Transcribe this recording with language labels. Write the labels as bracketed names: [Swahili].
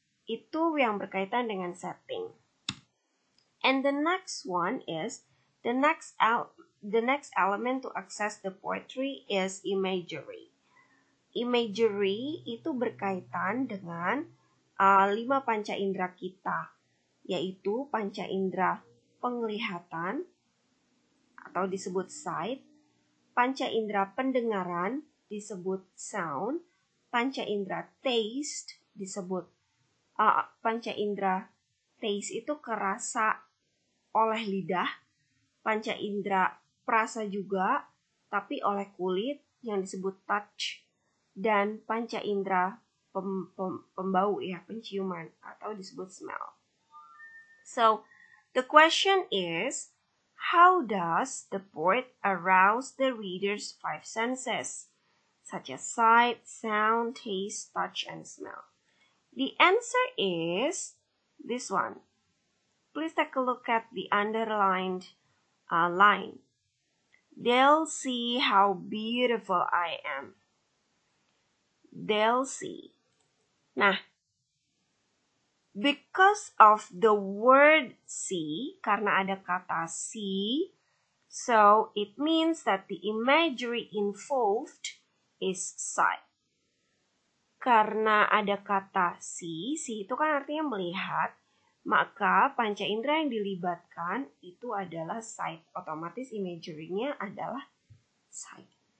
[Indonesian] Itu yang berkaitan dengan setting. [English] And the next one is the next element to access the poetry is imagery. [Indonesian] Imagery itu berkaitan dengan 5 panca indera kita, yaitu panca indera penglihatan atau disebut sight, panca indera pendengaran disebut sound, panca indera taste disebut panca indera taste itu kerasa oleh lidah, panca indera perasa juga, tapi oleh kulit yang disebut touch, dan panca indera pembau ya, penciuman atau disebut smell. [English] So, the question is, how does the poet arouse the reader's 5 senses, such as sight, sound, taste, touch, and smell? The answer is this one. please take a look at the underlined line. They'll see how beautiful I am. They'll see. Nah, because of the word see, [Indonesian] karena ada kata see, [English] so it means that the imagery involved is sight. [Indonesian] Karena ada kata see, see itu kan artinya melihat, maka panca indera yang dilibatkan itu adalah sight. Otomatis imagery-nya adalah sight.